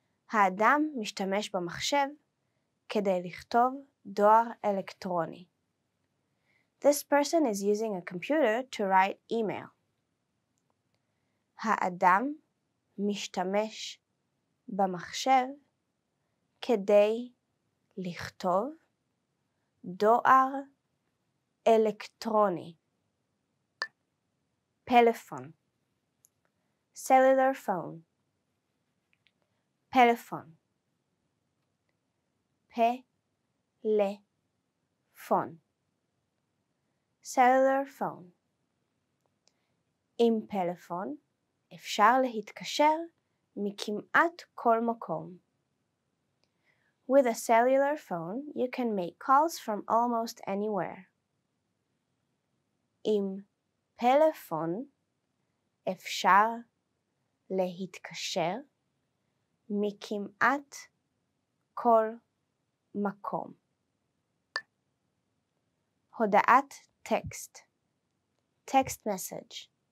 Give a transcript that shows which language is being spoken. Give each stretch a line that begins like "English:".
Hebrew: האדם משתמש במחשב כדי לכתוב דואר אלקטרוני.
English: This person is using a computer to write email.
Hebrew: האדם משתמש במחשב כדי לכתוב דואר אלקטרוני. פלאפון.
English: Cellular phone.
Hebrew: פלאפון. פלאפון.
English: Cellular phone.
Hebrew: עם פלאפון אפשר להתקשר מכמעט כל מקום.
English: With a cellular phone, you can make calls from almost anywhere.
Hebrew: עם פלאפון אפשר להתקשר מכמעט כל מקום. הודעת טקסט.
English: Text message.